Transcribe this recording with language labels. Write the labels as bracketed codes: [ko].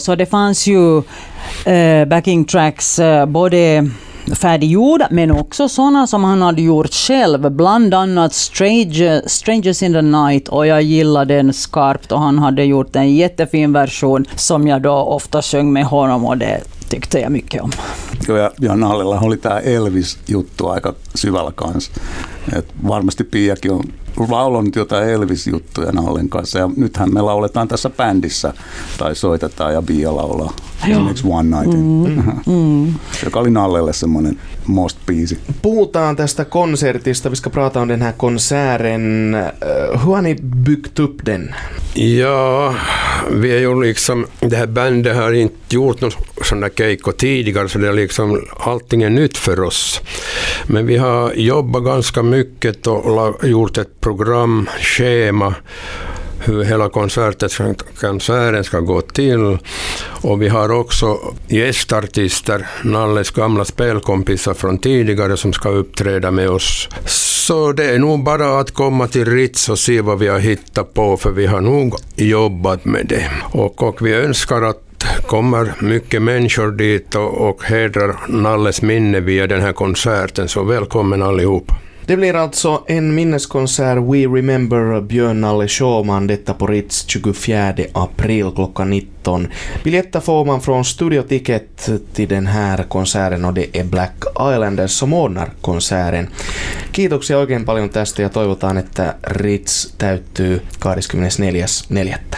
[sv] Så det fanns ju backing tracks både färdiggjorda, men också sådana som han hade gjort själv, bland annat Strangers in the Night, och jag gillade den skarpt, och han hade gjort en jättefin version som jag då ofta sjöng med honom, och det tyckte jag mycket om. [fi] Jo, ja Nallella oli tämä Elvis-juttu aika syvällä kanssa. Et varmasti Piiakin on laulanut jotain Elvis-juttuja Nallen kanssa. Ja nythän me lauletaan tässä bändissä, tai soitetaan ja Pia laulaa. Esimerkiksi One Night. Joka oli Nallelle semmoinen most-biisi. Puhutaan tästä konsertista. [sv] Vi ska prata om den här konserten. Hur har ni byggt upp den? Ja, vi är ju liksom, det här bandet har inte gjort något sådana keikko tidigare, så det är liksom, allting är nytt för oss. Men vi har jobbat ganska mycket och gjort ett program, schema, hur hela konserten ska gå till. Och vi har också gästartister, Nalles gamla spelkompisar från tidigare, som ska uppträda med oss. Så det är nog bara att komma till Ritz och se vad vi har hittat på, för vi har nog jobbat med det. Och vi önskar att kommer mycket människor dit och hedrar Nalles minne via den här konserten, så välkommen allihopa. Det blir alltså en minneskonsert We Remember Björn Nalle Showman, detta på Ritz 24 april klockan 19. Biljetter får man från Studio Ticket till den här konserten, och det är Black Islanders som ordnar konserten. [fi] Kiitoksia oikein paljon tästä, ja toivotaan, että Ritz täyttyy 24.4.